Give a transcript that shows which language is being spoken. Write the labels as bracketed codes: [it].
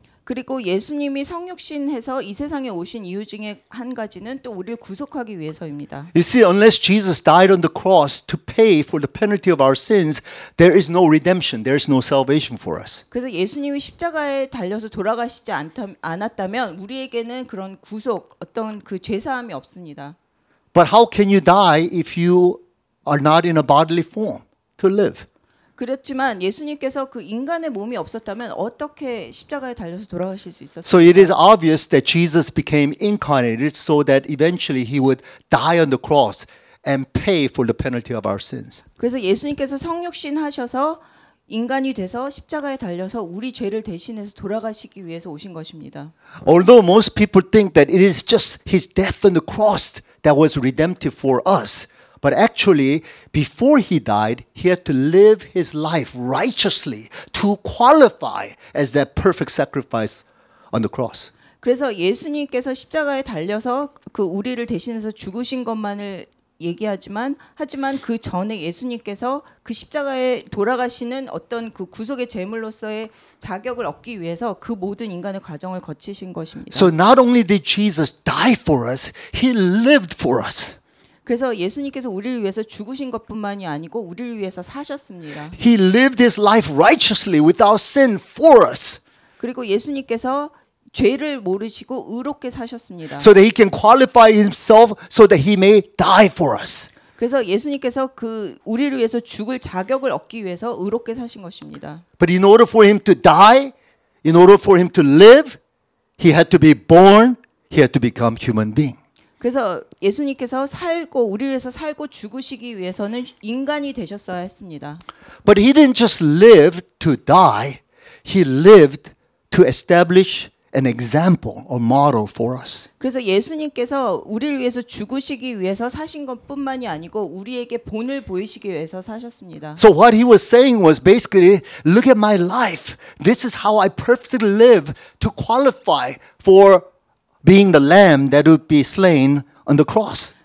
[ko] 그리고 예수님이 성육신해서 이 세상에 오신 이유 중에 한 가지는 또 우리를 구속하기 위해서입니다. [en] You see, unless Jesus died on the cross to pay for the penalty of our sins, there is no redemption. There is no salvation for us. [ko] 그래서 예수님이 십자가에 달려서 돌아가시지 않았다면 우리에게는 그런 구속, 어떤 그 죄사함이 없습니다. [en] But how can you die if you are not in a bodily form to live? [ko] 그렇지만 예수님께서 그 인간의 몸이 없었다면 어떻게 십자가에 달려서 돌아가실 수 있었을까요? [en] So it is obvious that Jesus became incarnated so that eventually he would die on the cross and pay for the penalty of our sins. [ko] 그래서 예수님께서 성육신 하셔서 인간이 돼서 십자가에 달려서 우리 죄를 대신해서 돌아가시기 위해서 오신 것입니다. [en] Although most people think that it is just his death on the cross that was redemptive for us, but actually, before he died, he had to live his life righteously to qualify as that perfect sacrifice on the cross. [ko] 그래서 예수님께서 십자가에 달려서 그 우리를 대신해서 죽으신 것만을 얘기하지만, 하지만 그 전에 예수님께서 그 십자가에 돌아가시는 어떤 그 구속의 제물로서의 자격을 얻기 위해서 그 모든 인간의 과정을 거치신 것입니다. [en] So not only did Jesus die for us, he lived for us. [ko] 그래서 예수님께서 우리를 위해서 죽으신 것뿐만이 아니고 우리를 위해서 사셨습니다. [en] He lived his life righteously without sin for us. [ko] 그리고 예수님께서 죄를 모르시고 의롭게 사셨습니다. [en] So that he can qualify himself so that he may die for us. [ko] 그래서 예수님께서 그 우리를 위해서 죽을 자격을 얻기 위해서 의롭게 사신 것입니다. [en] But in order for him to die, in order for him to live, he had to be born, he had to become human being. [ko] 그래서 예수님께서 살고 우리 위해서 살고 죽으시기 위해서는 인간이 되셨어야 했습니다. [en] But he didn't just live to die. He lived to establish an example or model for us. [ko] 그래서 예수님께서 우리를 위해서 죽으시기 위해서 사신 것뿐만이 아니고 우리에게 본을 보이시기 위해서 사셨습니다. [en] So what he was saying was basically, look at my life. This is how I perfectly live to qualify for being the lamb that would be slain on the cross.